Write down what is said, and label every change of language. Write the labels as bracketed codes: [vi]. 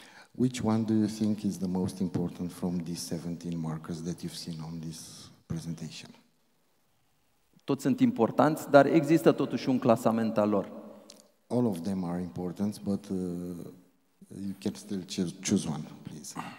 [en] Which one do you think is the most important from these 17 markers that you've seen on this presentation? [ro] Toți sunt importanți, dar există totuși un clasament al lor. [en] All of them are important, but you can still choose one, please.